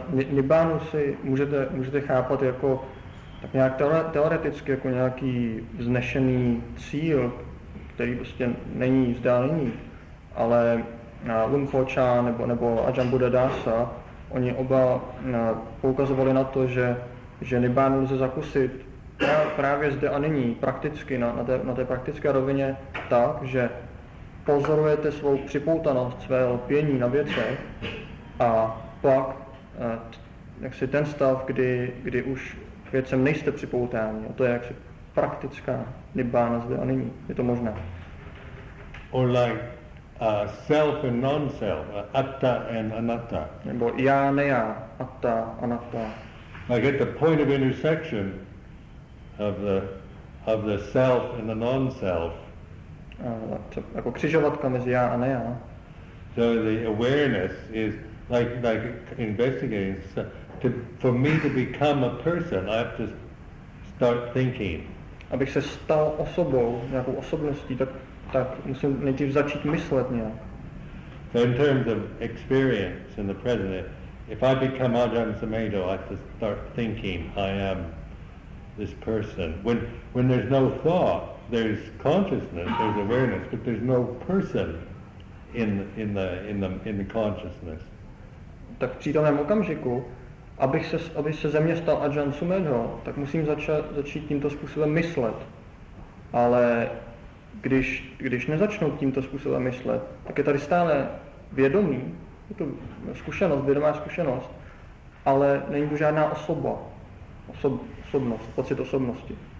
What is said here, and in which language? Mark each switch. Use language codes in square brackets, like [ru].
[cs] Nibbánu si můžete chápat jako tak nějak teoreticky jako nějaký vznešený cíl, který prostě není vzdálený, ale Lumpho Cha nebo Ajahn Buddha Dasa, oni oba poukazovali na to, že nibbánu lze zakusit právě zde a nyní, prakticky, na té praktické rovině tak, že pozorujete svou připoutanost, své lpění na věce a pak jaksi ten stav, kdy už k věcem nejste připoutáni, to je jaksi praktická nibbána zde a nyní, je to možné. [en] Or like self and non-self, atta and anatta. [cs] Nebo já, ne já, atta, anatta. [en] Like at the point of intersection of the self and the non-self. [cs] Jako křižovatka mezi já a ne já. [en] So the awareness is like investigating. So for me to become a person, I have to start thinking. [cs] Abych se stal osobou, nějakou osobností, tak musím nejdřív začít myslet nějak. [en] So in terms of experience in the present, if I become Ajahn Sumedho, I have to start thinking I am this person. When there's no thought, there's consciousness, there's awareness, but there's no person in the consciousness. [cs] Tak v přítomném okamžiku, abych se ze mě stal Ajahn Sumedho, tak musím začít tímto způsobem myslet. Ale když nezačnu tímto způsobem myslet, tak je tady stále vědomí, je to zkušenost, vědomá zkušenost, ale není to žádná osoba, osobnost, pocit osobnosti.